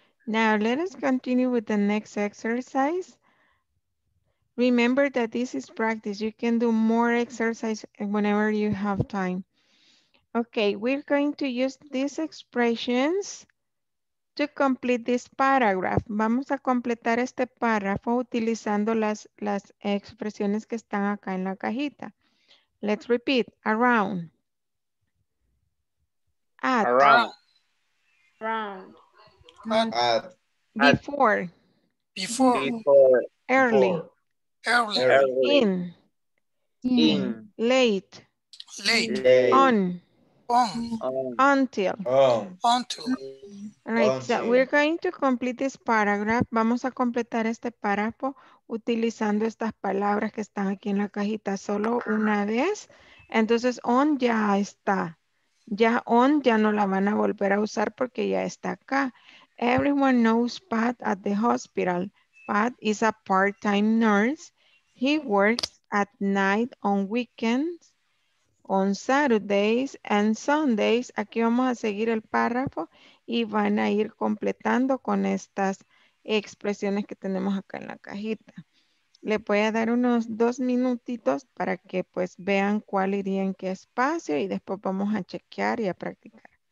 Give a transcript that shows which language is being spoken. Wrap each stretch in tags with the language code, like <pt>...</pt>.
<en>Now let us continue with the next exercise. Remember that this is practice. You can do more exercise whenever you have time. Okay, we're going to use these expressions to complete this paragraph.</en> <es>Vamos a completar este párrafo utilizando las expresiones que están acá en la cajita.</es> <en>Let's repeat. Around. At. Around. Around. At. Before. Before. Before. Early. Early. Early. In. In. Late. Late. Late. On. On. On. Until. On. Until. All right, so we're going to complete this paragraph.</en> <es>Vamos a completar este párrafo utilizando estas palabras que están aquí en la cajita solo una vez. Entonces, on ya está. Ya on ya no la van a volver a usar porque ya está acá.</es> <en>Everyone knows Pat at the hospital. Pat is a part-time nurse. He works at night on weekends, on Saturdays and Sundays.</en> <es>Aquí vamos a seguir el párrafo. Y van a ir completando con estas expresiones que tenemos acá en la cajita. Le voy a dar unos dos minutitos para que pues vean cuál iría en qué espacio y después vamos a chequear y a practicar.</es>